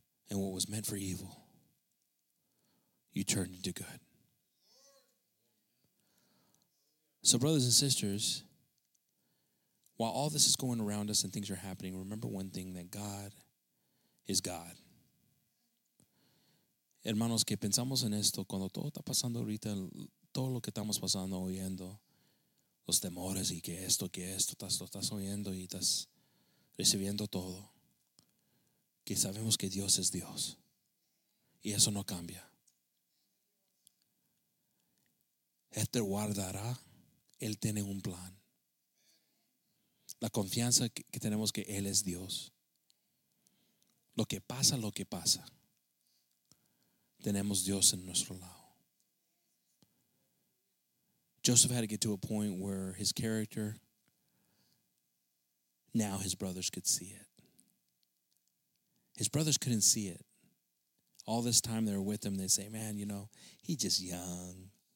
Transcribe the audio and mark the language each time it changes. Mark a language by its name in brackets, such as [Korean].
[English] And what was meant for evil, you turned into good. So brothers and sisters, while all this is going around us and things are happening, remember one thing, that God is God. [Spanish] Hermanos, que pensamos en esto cuando todo está pasando ahorita, todo lo que estamos pasando, oyendo los temores y que esto, estás oyendo y estás recibiendo todo. Que sabemos que Dios es Dios. Y eso no cambia. Él te guardará. Él tiene un plan. La confianza que tenemos que Él es Dios. Lo que pasa, tenemos Dios en nuestro lado. [English] Joseph had to get to a point where his character, now his brothers could see it. His brothers couldn't see it. All this time they were with him, they say, man, you know, he's just young.